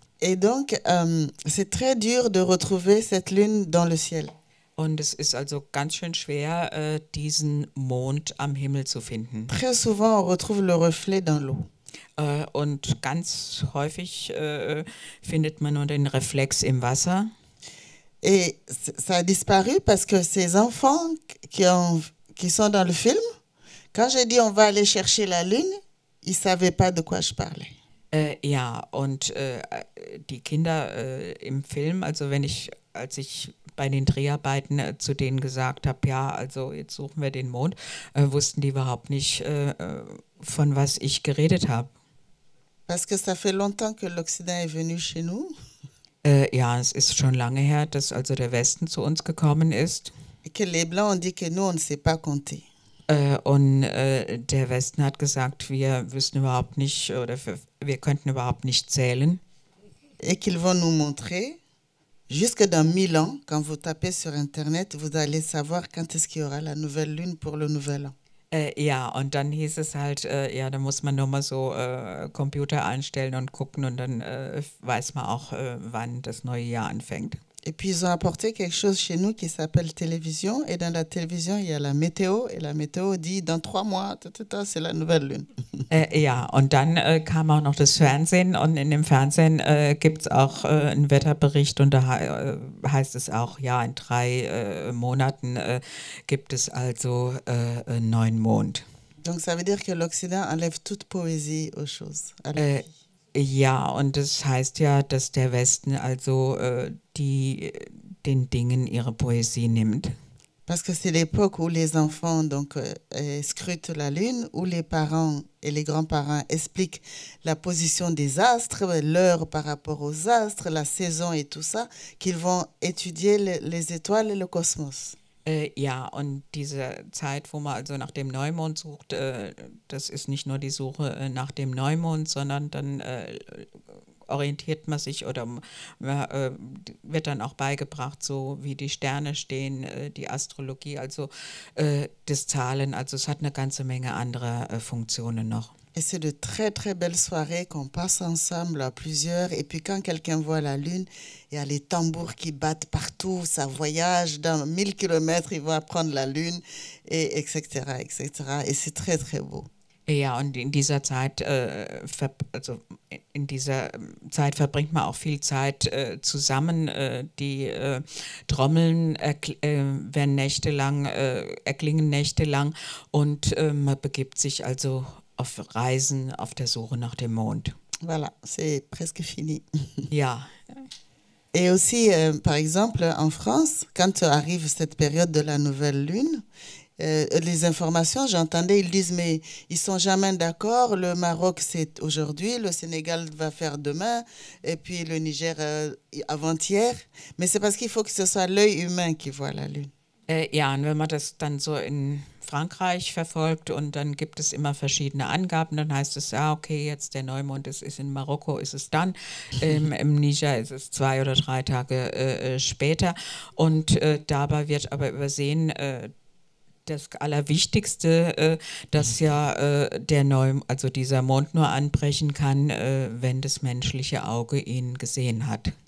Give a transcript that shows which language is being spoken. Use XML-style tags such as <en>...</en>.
<fr>Et donc, c'est très dur de retrouver cette lune dans le ciel.</fr> <de>Und es ist also ganz schön schwer, diesen Mond am Himmel zu finden.</de> <fr>Très souvent, on retrouve le reflet dans l'eau.</fr> <de>Und ganz häufig findet man nur den Reflex im Wasser.</de> <fr>Et ça a disparu parce que ces enfants qui sont dans le film, quand j'ai dit on va aller chercher la lune, ils savaient pas de quoi je parlais.</fr> <de>Ja, und die Kinder im Film, also als ich bei den Dreharbeiten zu denen gesagt habe, ja, also jetzt suchen wir den Mond, wussten die überhaupt nicht, von was ich geredet habe.</de> <fr>Parce que ça fait longtemps que l'Occident est venu chez nous.</fr> <de>Ja, es ist schon lange her, dass also der Westen zu uns gekommen ist.</de> <fr>Que les Blancs ont dit que nous, on ne sait pas compter.</fr> <de>Der Westen hat gesagt, wir wüssten überhaupt nicht, oder wir könnten überhaupt nicht zählen.</de> <fr>Et qu'ils vont nous montrer. Jusque dans 1000 ans, quand vous tapez sur Internet, vous allez savoir quand est-ce qu'il y aura la nouvelle lune pour le nouvel an.</fr> <de>Ja, und dann hieß es halt, ja, da muss man nur mal so Computer einstellen und gucken und dann weiß man auch, wann das neue Jahr anfängt.</de> <fr>Et puis ils ont apporté quelque chose chez nous qui s'appelle télévision et dans la télévision il y a la météo et la météo dit dans 3 mois, tata, c'est la nouvelle lune.</fr> <de>Ja, und dann kam auch noch das Fernsehen und in dem Fernsehen gibt es auch einen Wetterbericht und da heißt es auch, ja, in 3 Monaten gibt es also einen neuen Mond.</de> <fr>Donc ça veut dire que l'Occident enlève toute poésie aux choses.</fr> <de>Ja, und das heißt ja, dass der Westen also den Dingen ihre Poesie nimmt.</de> <fr>Parce que c'est l'époque où les enfants donc scrutent la lune, où les parents et les grands-parents expliquent la position des astres, l'heure par rapport aux astres, la saison et tout ça, qu'ils vont étudier les étoiles et le cosmos.</fr> <de>Ja, und diese Zeit, wo man also nach dem Neumond sucht, das ist nicht nur die Suche nach dem Neumond, sondern dann orientiert man sich oder wird dann auch beigebracht, so wie die Sterne stehen, die Astrologie, also das Zahlen. Also es hat eine ganze Menge anderer Funktionen noch.</de> <fr>Et c'est de très très belles soirées qu'on passe ensemble à plusieurs. Et puis quand quelqu'un voit la lune, il y a les tambours qui battent partout. Ça voyage dans 1000 kilomètres, il va prendre la lune, et etc., etc. Et c'est très très beau.</fr> <de>Et ja, und in dieser Zeit, also in dieser Zeit verbringt man auch viel Zeit zusammen. Die Trommeln werden nächtelang, erklingen nächtelang, und man begibt sich also auf Reisen, auf der Suche nach dem Mond.</de> <fr>Voilà, c'est presque fini.</fr> <de>Ja.</de> <fr>Et aussi, par exemple, en France, quand arrive cette période de la nouvelle lune, les informations, j'entendais, ils disent, mais ils sont jamais d'accord, le Maroc, c'est aujourd'hui, le Sénégal va faire demain, et puis le Niger, avant-hier. Mais c'est parce qu'il faut que ce soit l'œil humain qui voit la lune.</fr> <de>Ja, und wenn man das dann so in Frankreich verfolgt und dann gibt es immer verschiedene Angaben, dann heißt es, ja, okay, jetzt der Neumond ist in Marokko, ist es dann, im Niger ist es 2 oder 3 Tage später. Und dabei wird aber übersehen, das Allerwichtigste, dass ja der Neumond, also dieser Mond nur anbrechen kann, wenn das menschliche Auge ihn gesehen hat.</de>